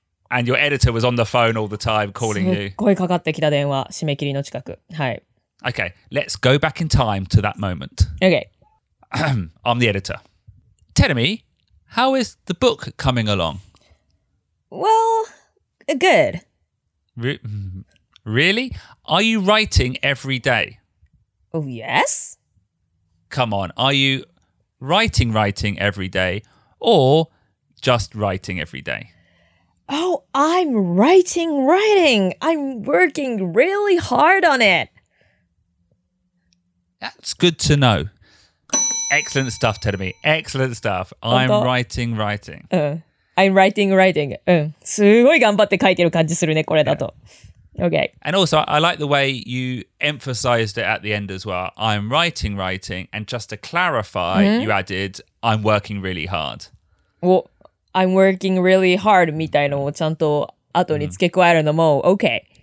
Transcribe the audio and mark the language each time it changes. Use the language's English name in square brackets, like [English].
[English] And your editor was on the phone all the time calling you. [Japanese] すっごいかかってきた電話、締め切りの近く。はい。 [English] Okay, let's go back in time to that moment. Okay. I'm the editor. Tell me, how is the book coming along? Well, good. Really? Are you writing every day? Oh, yes. Come on, are you writing every day or just writing every day? Oh, I'm writing. I'm working really hard on it. That's good to know. Excellent stuff, Terumi. Excellent stuff. I'm writing. I'm writing. [Japanese] すごい頑張って書いてる感じするね、これだと。 [English] Yeah. Okay. And also, I like the way you emphasized it at the end as well. I'm writing. And just to clarify,、mm-hmm. you added, I'm working really hard. Well, I'm working really hard [Japanese] みたいのをちゃんと後に付け加えるのも、 [English] mm-hmm. okay.